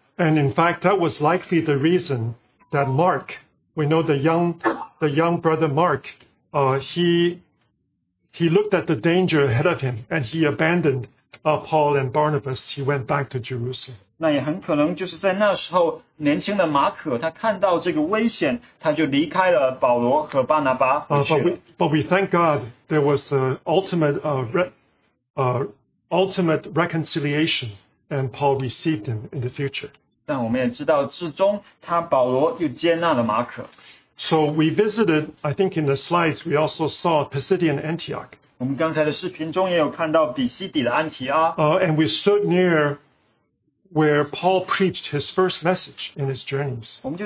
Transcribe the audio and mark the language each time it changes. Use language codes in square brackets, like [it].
[en] And in fact, that was likely the reason that Mark, we know the young brother Mark, he looked at the danger ahead of him, and he abandoned Paul and Barnabas. He went back to Jerusalem. [zh] 那也很可能就是在那时候年轻的马可他看到这个危险他就离开了保罗和巴拿巴。 [en] But we thank God there was an ultimate reconciliation and Paul received him in the future. [zh] 但我们也知道至终他保罗又接纳了马可。 [en] So we visited, I think in the slides, we also saw Pisidian Antioch. [zh] 我们刚才的视频中也有看到比西底的安提阿。 [en] And we stood near where Paul preached his first message in his journeys.